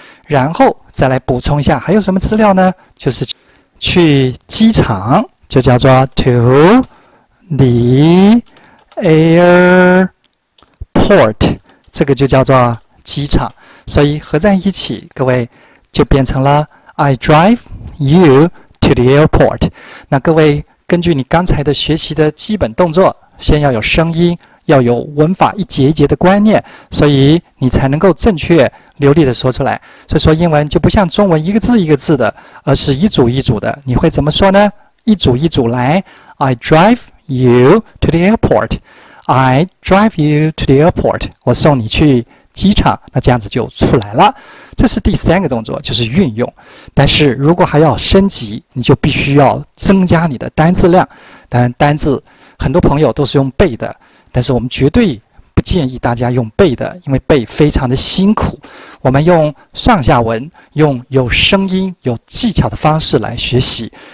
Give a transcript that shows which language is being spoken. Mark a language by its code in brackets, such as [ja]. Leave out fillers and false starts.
[zh] 然后再来补充一下还有什么资料呢，就是去机场就叫做 [en] to the airport， [zh] 这个就叫做机场，所以合在一起各位就变成了 [en] I drive you to the airport。 [zh] 那各位根据你刚才的学习的基本动作，先要有声音，要有文法一节一节的观念，所以你才能够正确流利的说出来。所以说英文就不像中文一个字一个字的，而是一组一组的。你会怎么说呢？一组一组来， [en] I drive you to the airport， [zh] I drive you to the airport， 我送你去机场，那这样子就出来了。这是第三个动作，就是运用。但是如果还要升级，你就必须要增加你的单字量。当然单字很多朋友都是用背的，但是我们绝对不建议大家用背的，因为背非常的辛苦。我们用上下文，用有声音有技巧的方式来学习。